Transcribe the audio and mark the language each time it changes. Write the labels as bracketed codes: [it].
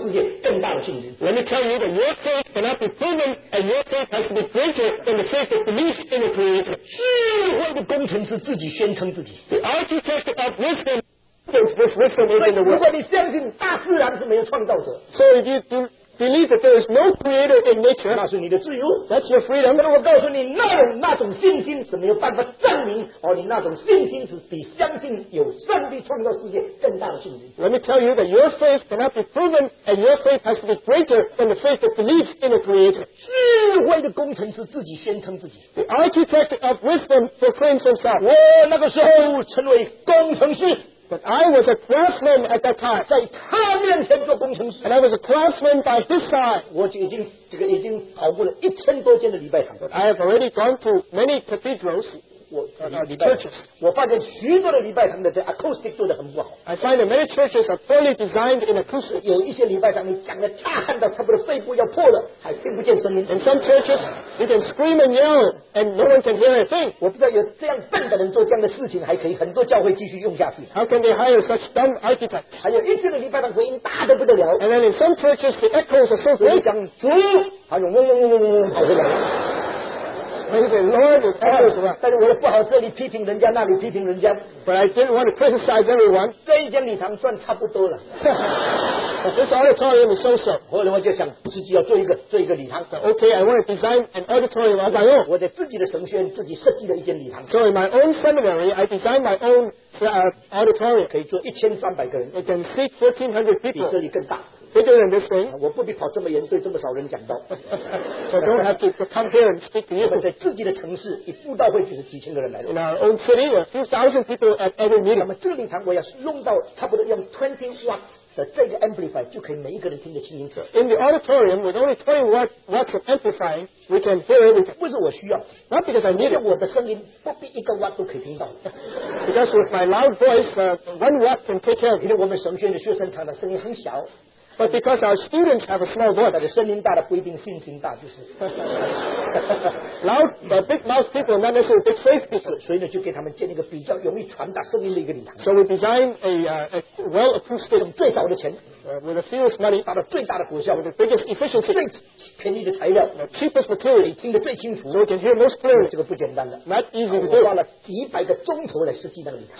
[en] Let me tell you that your faith cannot be proven, and your faith has to be greater than the faith that believes in the creator. [zh] 智慧的工程是自己宣称自己。 [en] The architect of wisdom. So if you do believe that there is no creator in nature, that's your freedom. Let me tell you that your faith cannot be proven, and your faith has to be greater than the faith that believes in the creator. [zh] 智慧的工程师自己宣称自己。 [en] The architect of wisdom proclaims himself. [zh] 我那个时候成为工程师。 [en] But I was a craftsman at that time. [zh] 在他面前做工程师, [en] and I was a craftsman by his side. [zh] 我已经跑过了1000多间的礼拜堂。 [en] I have already gone to many cathedrals. [zh] 我发现许多的礼拜堂的这 acoustic 做得很不好。 [en] I find that many churches are poorly designed in acoustics. [zh] 有一些礼拜堂你讲得大喊到差不多肺部要破了，还听不见声音。 [en] In some churches, you can scream and yell, and no one can hear a thing. [zh] 我不知道有这样笨的人做这样的事情，还可以很多教会继续用下去。 [en] How can they hire such dumb architects? [zh] 还有一些的礼拜堂回音大得不得了。 [en] And then in some churches, the echoes are so great. [zh] 我一讲足，还有嗡嗡嗡嗡嗡跑回来。但是我也不好这里批评人家，那里批评人家。 [en] But I didn't want to criticize everyone. [zh] 这一间礼堂算差不多了。 [en] This auditorium is so-so. [zh] 后来我就想自己要做一个礼堂。 [en] Okay, I want to design an auditorium as I own. [zh] 我在自己的神学院自己设计了一间礼堂。 [en] So in my own seminary, I designed my own auditorium. [zh] 可以坐1300个人。 [en] It can seat 1400 people. [zh] 比这里更大。 [en] Bigger than this thing. [zh] 我不必跑这么远对这么少人讲道。 [en] So don't have to come here and speak to you. [zh] 我们在自己的城市，一布道会就是几千个人来了。 [en] In our own city, a few thousand people at every meeting. [zh] 那么这个礼堂我要用到差不多用 20 watts 的这个 amplifier 就可以每一个人听得清清楚。 [en] In the auditorium, with only 20 watts of amplifying, we can hear everything. [zh] 不是我需要。 [en] Not because I need it. [zh] 我的声音不必一个 watt 都可以听到。 [en] Because with my loud voice, one watt can take care of it. [zh] 因为我们神学院的学生堂的声音很小。 [en] But because our students have a small voice. [zh] 但是声音大的不一定信心大，就是。 [en] Loud, but big mouth people, not necessarily big faith people. [zh] 所以呢，就给他们建一个比较容易传达声音的一个礼堂。 [en] So we designed a well acoustic. [zh] 用最少的钱。 [en] With the fewest money. [zh] 达到最大的果效。 [en] With the biggest efficiency. [zh] 最便宜的材料。 [en] The cheapest material. [zh] 听得最清楚。 [en] So we can hear most clearly. [zh] 这个不简单了。 [en] Not easy to do. [zh] 我花了几百个钟头来设计那个礼堂。